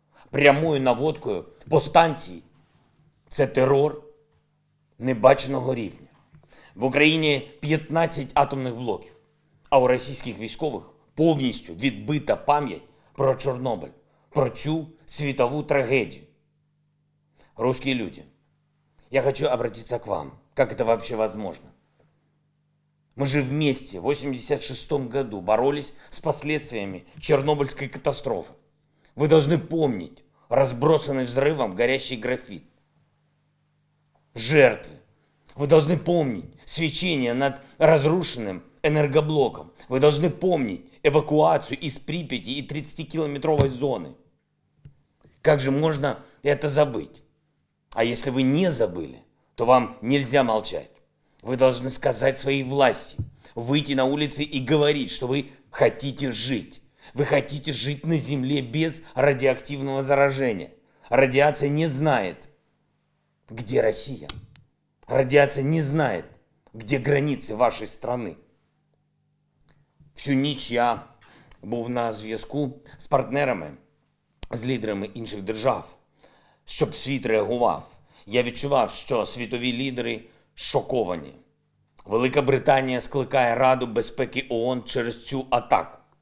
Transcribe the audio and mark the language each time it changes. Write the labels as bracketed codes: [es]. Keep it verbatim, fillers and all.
[uk] Прямою наводкою по станції – це терор небаченого рівня. В Україні п'ятнадцять атомних блоків, а у російських військових повністю відбита пам'ять про Чорнобиль, про цю світову трагедию. [ru] Русские люди, я хочу обратиться к вам. Как это вообще возможно? Мы же вместе в восемьдесят шестом году боролись с последствиями Чернобыльской катастрофы. Вы должны помнить разбросанный взрывом горящий графит. Жертвы. Вы должны помнить свечение над разрушенным энергоблоком. Вы должны помнить эвакуацию из Припяти и тридцатикилометровой зоны. Как же можно это забыть? А если вы не забыли, то вам нельзя молчать. Вы должны сказать своей власти, выйти на улицы и говорить, что вы хотите жить. Вы хотите жить на Земле без радиоактивного заражения. Радиация не знает, где Россия. Радиация не знает, где границы вашей страны. [uk] Всю ніч я був на зв'язку з партнерами, з лідерами інших держав, щоб світ реагував. Я відчував, що світові лідери шоковані. Велика Британія скликає Раду безпеки ООН через цю атаку.